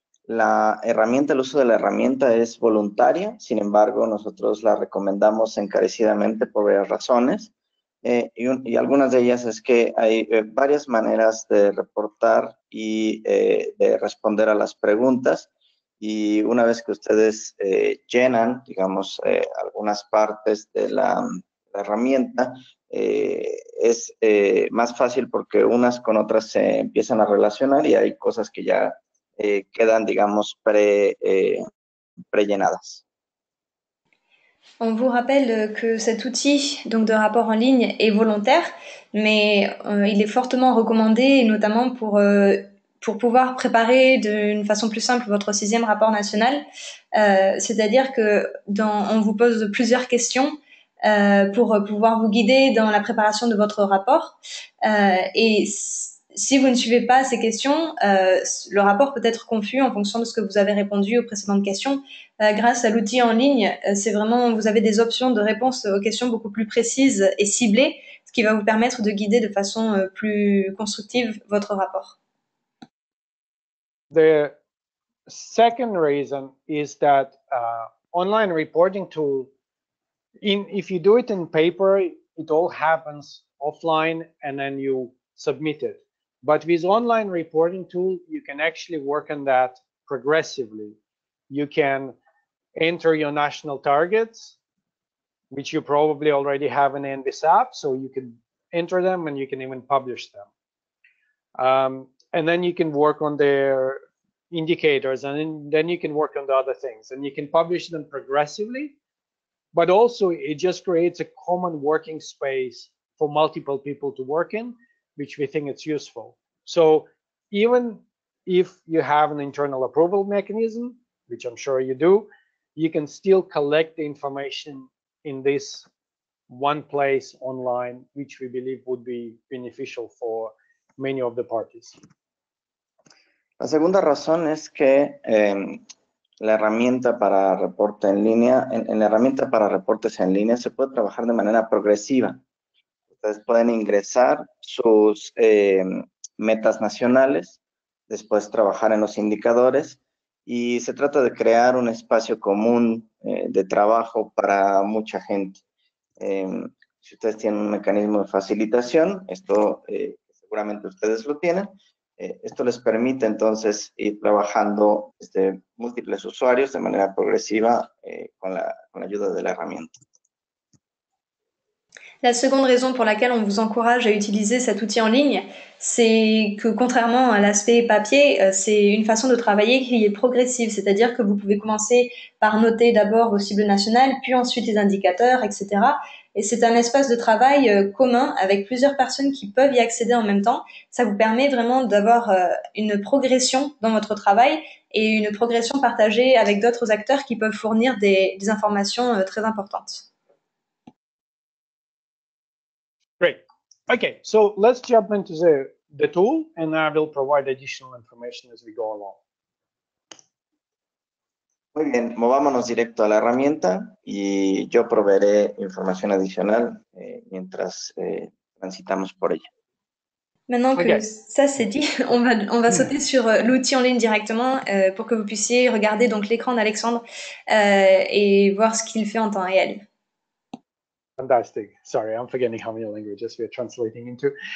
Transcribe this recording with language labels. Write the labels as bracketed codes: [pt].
[es] La herramienta, el uso de la herramienta es voluntaria, sin embargo, nosotros la recomendamos encarecidamente por varias razones, y algunas de ellas es que hay varias maneras de reportar y de responder a las preguntas, y una vez que ustedes llenan, digamos, algunas partes de la herramienta, es más fácil porque unas con otras se empiezan a relacionar y hay cosas que ya quedan, digamos, prellenadas. [fr] On vous rappelle que cet outil donc de rapport en ligne est volontaire, mais il est fortement recommandé, notamment pour pouvoir préparer d'une façon plus simple votre sixième rapport national. C'est-à-dire que on vous pose plusieurs questions pour pouvoir vous guider dans la préparation de votre rapport. Et si vous ne suivez pas ces questions, le rapport peut être confus en fonction de ce que vous avez répondu aux précédentes questions. Grâce à l'outil en ligne, c'est vraiment, vous avez des options de réponse aux questions beaucoup plus précises et ciblées, ce qui va vous permettre de guider de façon plus constructive votre rapport. [en] The second reason is that online reporting tool, if you do it in paper, it all happens offline and then you submit it. But with online reporting tool, you can actually work on that progressively. You can enter your national targets, which you probably already have in Envis app, so you can enter them and you can even publish them. And then you can work on their indicators, and then you can work on the other things, and you can publish them progressively. But also, it just creates a common working space for multiple people to work in, which we think it's useful. So even if you have an internal approval mechanism, which I'm sure you do, you can still collect the information in this one place online, which we believe would be beneficial for many of the parties. [es] La segunda razón es que la herramienta para reporte en línea, en la herramienta para reportes en línea se puede trabajar de manera progresiva. Ustedes pueden ingresar sus metas nacionales, después trabajar en los indicadores, y se trata de crear un espacio común de trabajo para mucha gente. Si ustedes tienen un mecanismo de facilitación, esto seguramente ustedes lo tienen, esto les permite entonces ir trabajando desde múltiples usuarios de manera progresiva con la ayuda de la herramienta. [fr] La seconde raison pour laquelle on vous encourage à utiliser cet outil en ligne, c'est que contrairement à l'aspect papier, c'est une façon de travailler qui est progressive, c'est-à-dire que vous pouvez commencer par noter d'abord vos cibles nationales, puis ensuite les indicateurs, etc. Et c'est un espace de travail commun avec plusieurs personnes qui peuvent y accéder en même temps. Ça vous permet vraiment d'avoir une progression dans votre travail et une progression partagée avec d'autres acteurs qui peuvent fournir des informations très importantes. [en] Great. Okay, so let's jump into the tool, and I will provide additional information as we go along. [es] Muy bien, movámonos directo a la herramienta y yo proveeré información adicional mientras transitamos por ella. [fr] Maintenant que ça c'est dit, on va sauter sur l'outil en ligne directement pour que vous puissiez regarder donc l'écran d'Alexandre et voir ce qu'il fait en temps réel. [en] Fantastic. Sorry, I'm forgetting how many languages we're translating into.